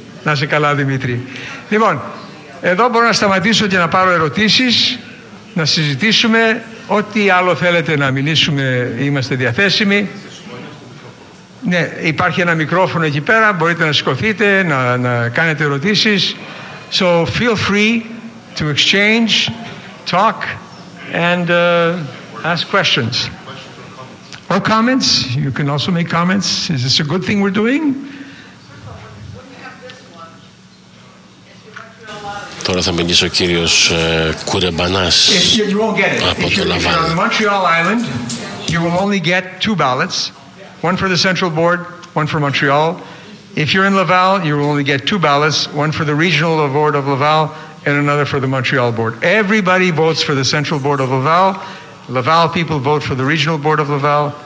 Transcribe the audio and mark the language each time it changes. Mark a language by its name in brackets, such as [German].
[Greek] Να είσαι καλά, Δημήτρη. Λοιπόν, εδώ μπορώ να σταματήσω και να πάρω ερωτήσεις, να συζητήσουμε ό,τι άλλο θέλετε να μιλήσουμε, είμαστε διαθέσιμοι. Ναι, υπάρχει ένα μικρόφωνο εκεί πέρα, μπορείτε να σηκωθείτε, να κάνετε ερωτήσεις. [English] So feel free to exchange, talk and ask questions. Or comments, you can also make comments. Is this a good thing we're doing? [Greek] Τώρα θα μιλήσει ο κύριος Κουρεμπανάς από το Λαβάν. [English] On Montreal Island, you will only get two ballots, one for the central board, one for Montreal. If you're in Laval, you will only get two ballots, one for the regional board of Laval and another for the Montreal board. Everybody votes for the central board of Laval. Laval people vote for the regional board of Laval.